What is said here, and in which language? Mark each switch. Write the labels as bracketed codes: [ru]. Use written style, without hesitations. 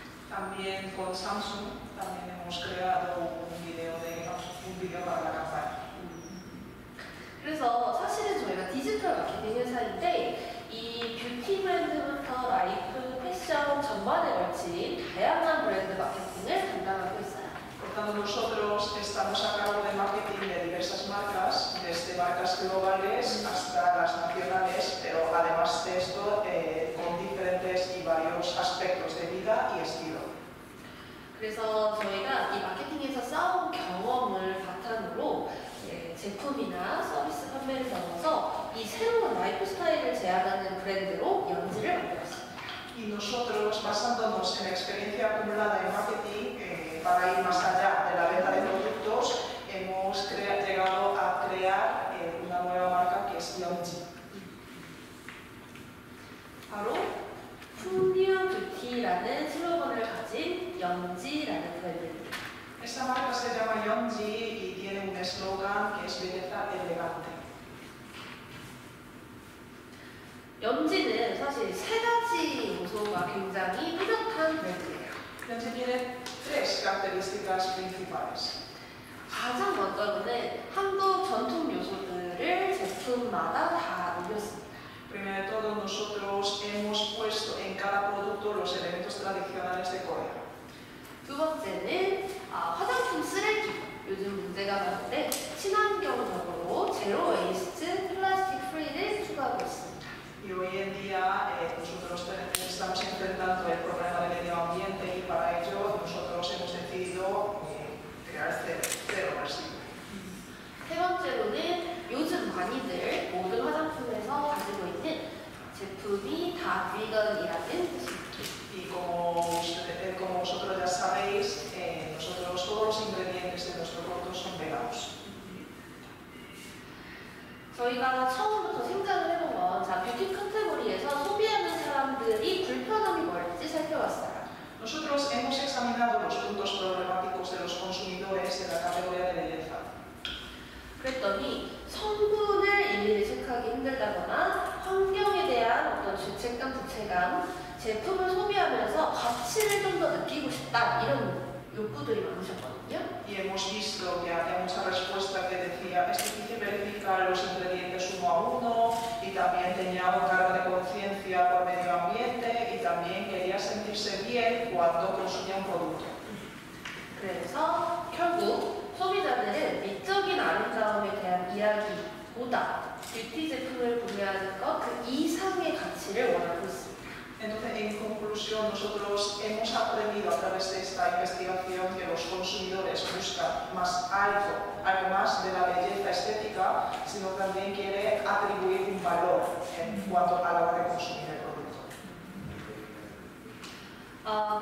[es] También con Samsung también hemos creado un video para la campaña. [ko] 그래서 사실은 저희가 디지털 마케팅 회사인데 이 뷰티 브랜드부터 라이프 패션 전반에 걸친 다양한 브랜드 마케팅을 담당하고 있어요. [es] Por tanto nosotros estamos a cargo de marketing de diversas marcas, desde marcas globales hasta las nacionales, pero además de esto con diferentes y varios aspectos de vida y estilo. [ko] 그래서 저희가 이 마케팅에서 쌓은 경험을 바탕으로 제품이나 서비스 판매를 넘어서 이 새로운 라이프 스타일을 제안하는 브랜드로 연지를 만들었습니다. [es] Y nosotros basándonos en experiencia acumulada en marketing para ir más allá de la venta de productos hemos llegado a crear una nueva marca que es Yonji. [ko] 바로 프리미엄 뷰티라는 슬로건을 가진 연지라는 브랜드입니다. [es] Esta marca se llama Yonji y tiene un eslogan que es belleza elegante. [ko] 연지는 사실 세 가지 요소가 굉장히 뚜렷한 브랜드예요. [es] Yonji tiene tres características principales. [ko] 가장 먼저는 한국 전통 요소들을 제품마다 다 넣었습니다. [es] Primero de todo, nosotros hemos puesto en cada producto los elementos tradicionales de Corea. [ko] 두 번째는 화장품 쓰레기. 요즘 문제가 많은데 친환경적으로 제로 웨이스트 플라스틱 프리를 추가하고 있습니다. [es] Y hoy en día nosotros estamos enfrentando el problema del medio ambiente y para ello nosotros hemos decidido crear cero residuos. [ko] 세 번째로는 요즘 많이들 모든 화장품에서 가지고 있는 제품이 다 비건이라는 뜻입니다. [es] Y como vosotros ya sabéis, nosotros todos los ingredientes de nuestro producto son veganos. [ko] 저희가 처음부터 생각을 해본 건 자 뷰티 카테고리에서 소비하는 사람들이 불편함이 뭘지 살펴봤어요. [es] Nosotros hemos examinado los puntos problemáticos de los consumidores de la categoría de belleza. [ko] 그랬더니 성분을 일일이 체크하기 힘들다거나 환경에 대한 어떤 죄책감, 부채감, 제품을 소비하면서 가치를 좀 더 느끼고 싶다 이런 욕구들이 많으셨거든요. [es] Y hemos visto que había mucha respuesta que decía es difícil verificar los ingredientes uno a uno y también tenía un cargo de conciencia por medio ambiente y también quería sentirse bien cuando consumía un producto. [ko] 그래서 결국 소비자들은 미적인 아름다움에 대한 이야기보다 뷰티 제품을 구매하는 것 그 이상의 가치를 원하고 있습니다. [es] Entonces, en conclusión, nosotros hemos aprendido a través de esta investigación que los consumidores buscan más algo, algo más de la belleza estética, sino también quiere atribuir un valor en cuanto a la hora de consumir el producto.